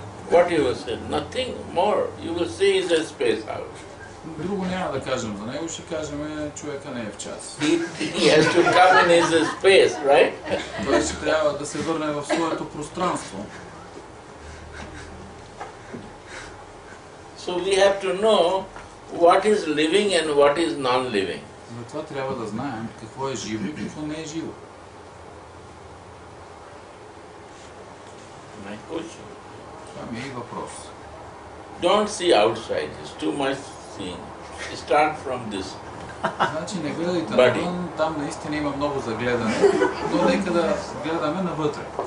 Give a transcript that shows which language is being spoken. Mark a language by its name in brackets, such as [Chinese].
[English] What you will say? Nothing more. You will say is a space out. [Bulgarian] Друго няма да кажем за него, ще кажем човека не е в час. [English] He has to come in his space, right? [Bulgarian] Той ще трябва да се върне в своето пространство. [English] So we have to know what is living and what is non-living. [Bulgarian] Но това трябва да знаем какво е живо и какво не е живо. [English] My question. [Bulgarian] Това ми е и въпрос. [English] Don't see outside. It's too much seeing. Start from this. [Bulgarian] Значи не гледайте навън, там наистина има много за гледане, но нека да гледаме навътре.